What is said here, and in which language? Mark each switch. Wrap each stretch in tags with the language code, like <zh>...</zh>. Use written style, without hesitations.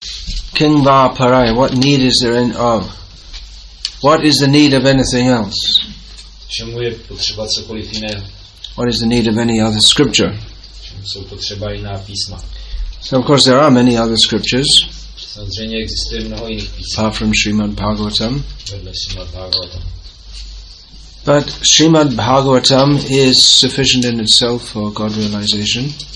<sa>Kin va parai,</sa> <en>what need is there in of? What is the need of anything else?</en> <cs>Čemu je potřeba cokoliv jiného?</cs> <en>What is the need of any other scripture?</en> <cs>Čemu jsou potřeba jiná písma?</cs> <en>So of course there are many other scriptures.</en> <cs>Samozřejmě existuje mnoho jiných písem.</cs> <en>Apart from Srimad Bhagavatam.</en> <cs>Vedle Srimad Bhagavatam.</cs> <en>But Srimad Bhagavatam is sufficient in itself for God realization.</en>